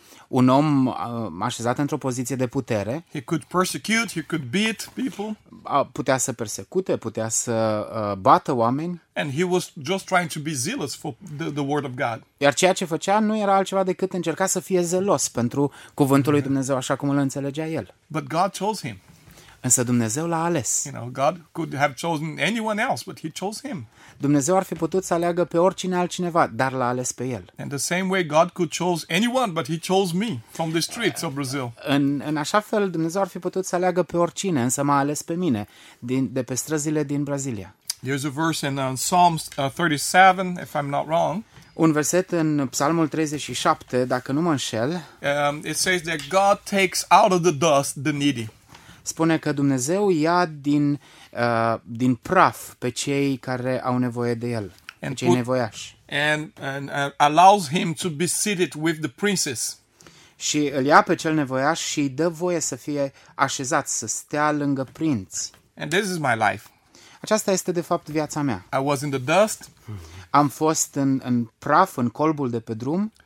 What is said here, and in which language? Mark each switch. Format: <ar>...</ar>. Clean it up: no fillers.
<ro>Un om așezat într-o poziție de putere.</ro> <en>He could persecute, he could beat people.</en> <ro>Putea să persecute, putea să bată oameni.</ro> <en>And he was just trying to be zealous for the word of God.</en> <ro>Iar ceea ce făcea nu era altceva decât încerca să fie zelos pentru cuvântul lui Dumnezeu așa cum îl înțelegea el.</ro> <en>But God chose him.</en> <ro>Însă Dumnezeu l-a ales.</ro> <en>You know, God could have chosen anyone else, but he chose him.</en> <ro>Dumnezeu ar fi putut să aleagă pe oricine altcineva, dar l-a ales pe el.</ro> <en>In the same way God could choose anyone, but he chose me from the streets of Brazil.</en> <ro>În așa fel Dumnezeu ar fi putut să aleagă pe oricine, însă m-a ales pe mine de pe străzile din Brazilia.</ro> <en>There's a verse in Psalms 37, if I'm not wrong.</en> <ro>Un verset în Psalmul 37, dacă nu mă înșel.</ro> <en>It says that God takes out of the dust the needy.</en> <ro>Spune că Dumnezeu ia din praf pe cei care au nevoie de el, pe cei nevoiași.</ro> <en>And allows him to be seated with the princes.</en> <ro>Și îl ia pe cel nevoiaș și îi dă voie să fie așezat, să stea lângă prinți.</ro> <en>And this is my life.</en> <ro>Aceasta este de fapt viața mea.</ro> <en>I was in the dust.</en> <ro>Am fost în praf, în colbul de pe drum.</ro>